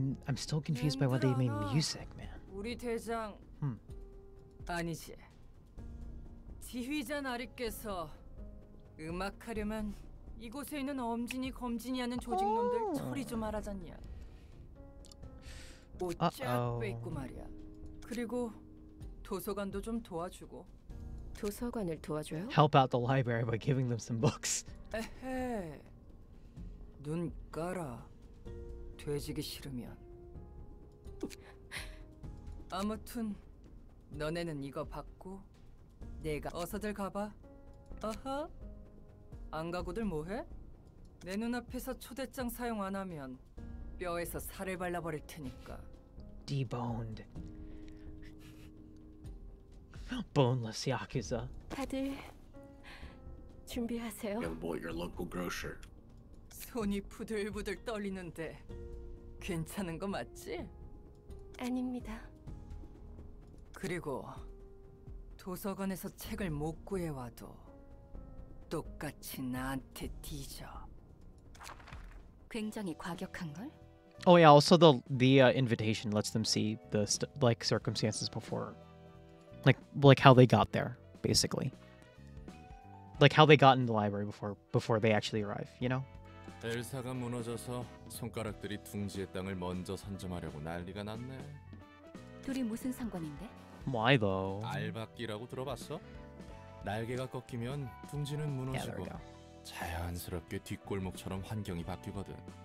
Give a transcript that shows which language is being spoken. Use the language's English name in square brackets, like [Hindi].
[English] I'm still confused by why they made music, man. [Korean] 우리 대장. 아니지. 지휘자 나리께서 음악하려면 이곳에 있는 엄진이 검진이 하는 조직놈들 처리 좀 하라잖냐. 옷쫙 빼입고 말이야. 그리고 도서관도 좀 도와주고. 도서관을 도와줘요? [English] Help out the library by giving them some books. [Korean] 에헤. 눈 깔아. 돼지기 싫으면. 아무튼 너네는 이거 받고 내가 어서들 가봐. 어허? 안 가고들 뭐해? 내 눈앞에서 초대장 사용 안 하면 뼈에서 살을 발라버릴 테니까. [English] Deboned. Boneless Yakuza. [Korean] 다들 준비하세요. [English] Young boy, your local grocer. [Korean] 손이 부들부들 떨리는데 괜찮은 거 맞지? 아닙니다. 그리고 도서관에서 책을 못 구해와도 똑같이 나한테 뒤져. 굉장히 과격한걸? [English] Oh yeah, also the invitation lets them see the like circumstances before. Like how they got there, basically. Like how they got in the library before they actually arrive, you know? [Korean] 엘사가 무너져서 손가락들이 둥지의 땅을 먼저 선점하려고 난리가 났네. 둘이 무슨 상관인데? [English] Why though? [Korean] 알박기라고 들어봤어? 날개가 꺾이면 둥지는 무너지고 자연스럽게 뒷골목처럼 환경이 바뀌거든.